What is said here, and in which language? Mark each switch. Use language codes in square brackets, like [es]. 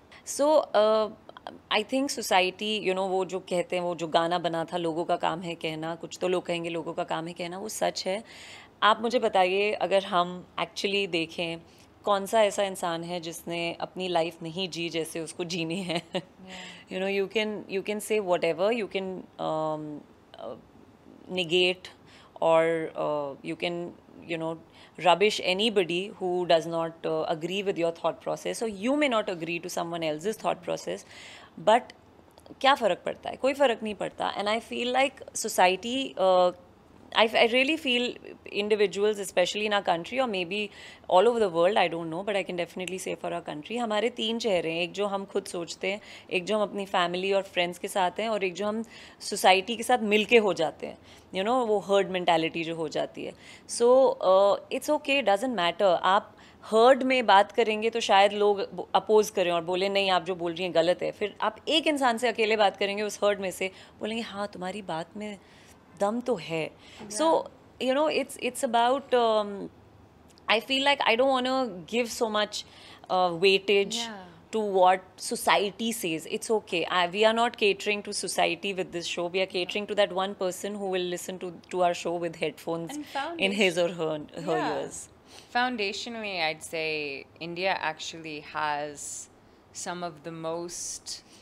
[hi] So I think society, you know, वो जो कहते हैं, वो जो गाना बना था, लोगों का काम है कहना, कुछ तो लोग कहेंगे लोगों का काम है कहना, वो सच है. आप मुझे बताइए, अगर हम एक्चुअली देखें, कौन सा ऐसा इंसान है जिसने अपनी लाइफ नहीं जी जैसे उसको जीनी है? [en] You know, you can say whatever, you can negate, और you can, you know, rubbish anybody who does not agree with your thought process, or you may not agree to someone else's thought process, but kya farak padta hai, koi farak nahi padta. And I feel like society, I really feel individuals, especially in our country, or maybe all over the world, I don't know, but I can definitely say for our country, hamare teen chehre hain, ek jo hum khud sochte hain, ek jo hum apni family aur friends ke sath hain, aur ek jo hum society ke sath milke ho jate hain, you know, wo herd mentality jo ho jati hai. So it's okay, it doesn't matter. [hi] Aap heard में बात करेंगे तो शायद लोग oppose करें और बोले नहीं, आप जो बोल रही हैं गलत है. फिर आप एक इंसान से अकेले बात करेंगे उस हर्ड में से, बोलेंगे हाँ, तुम्हारी बात में दम तो है. [en] So you know, it's about, I feel like I don't want to give so much weightage to what society says. It's okay, we are not catering to society with this show, we are catering to that one person who will listen to our show with headphones in his or her ears. Foundationally, I'd say India actually has some of the most